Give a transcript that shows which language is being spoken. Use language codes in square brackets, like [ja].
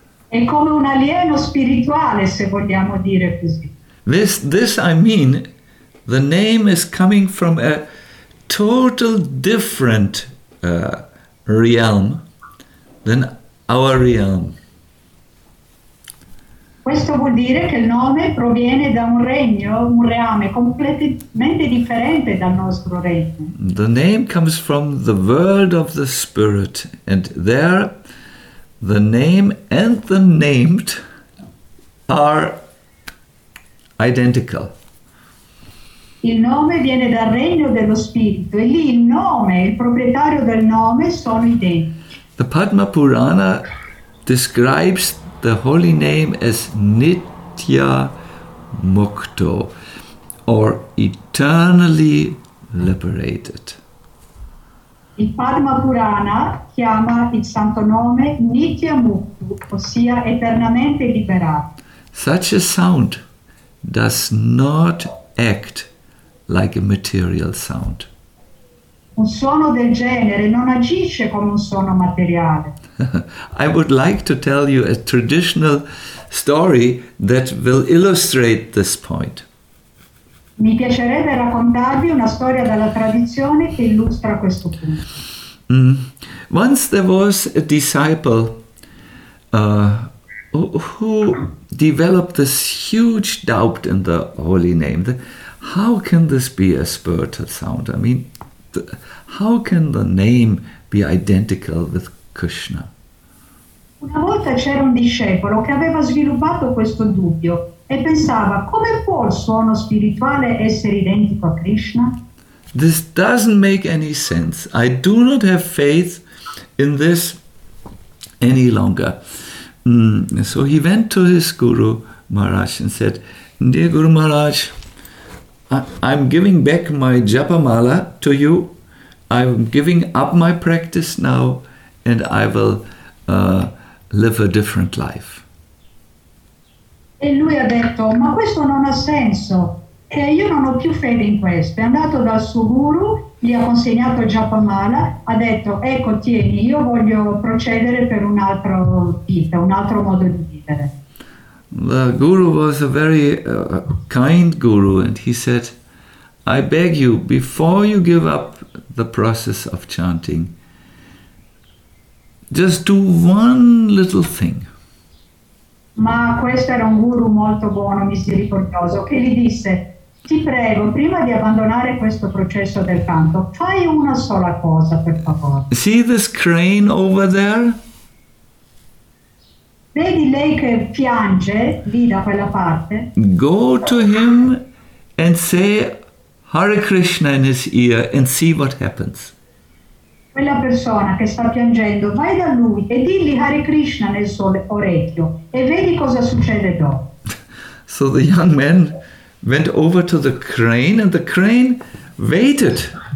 [it] È come un alieno spirituale, se vogliamo dire così. [en] This I mean, the name is coming from a total different realm than our realm. [it] Questo vuol dire che il nome proviene da un regno, un reame completamente differente dal nostro regno. [en] The name comes from the world of the spirit, and there the name and the named are identical. [it] Il nome viene dal regno dello spirito, e lì il nome, il proprietario del nome, sono identici. [en] The Padma Purana describes the holy name as Nitya Mukto, or eternally liberated. [it] Il Padma Purana chiama il santo nome Nitya Mukto, ossia eternamente liberato. [en] Such a sound does not act like a material sound. [it] Un suono del genere non agisce come un suono materiale. [en] I would like to tell you a traditional story that will illustrate this point. [it] Mi piacerebbe raccontarvi una storia della tradizione che illustra questo punto. [en] Once there was a disciple who developed this huge doubt in the holy name. How can this be a spiritual sound? I mean, how can the name be identical with Krishna? [it] Una volta c'era un discepolo che aveva sviluppato questo dubbio e pensava, come può il suono spirituale essere identico a Krishna? [en] This doesn't make any sense. I do not have faith in this any longer. So he went to his Guru Maharaj and said, Dear Guru Maharaj, I'm giving back my Japamala to you. I'm giving up my practice now, and I will live a different life. [it] E lui ha detto, ma questo non ha senso. E io non ho più fede in questo. È andato dal suo guru, gli ha consegnato Japamala, ha detto, ecco, tieni, io voglio procedere per un altro vita, un altro modo di vivere. [en] The guru was a very kind guru, and he said, I beg you, before you give up the process of chanting, just do one little thing. [it] Ma questo era un guru molto buono, misericordioso, che gli disse, ti prego, prima di abbandonare questo processo del canto, fai una sola cosa, per favore. [en] See this crane over there? [it] Vedi lei che piange lì da quella parte? [en] Go to him and say Hare Krishna in his ear and see what happens. [it] Quella persona che sta piangendo, vai da lui e digli Hare Krishna nel suo orecchio e vedi cosa succede dopo. [en] So the young man went over to the crane and the crane waited.